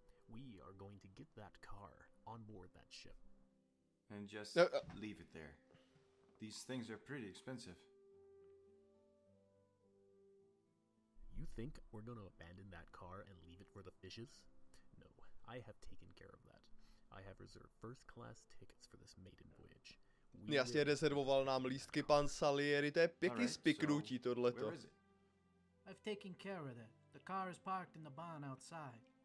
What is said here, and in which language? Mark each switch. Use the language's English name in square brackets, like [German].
[English] We are going to get that car on board that ship and just leave it there. These things are pretty expensive. You think we're going to abandon that car and leave it where the fish is? No, I have taken care of that. I have reserved first class tickets for this maiden voyage. [Czech] Jasně, rezervoval nám lístky pan Salieri, to je pěkný spiknutí tohleto. [English] I've taken care of that. The car is parked in the barn outside.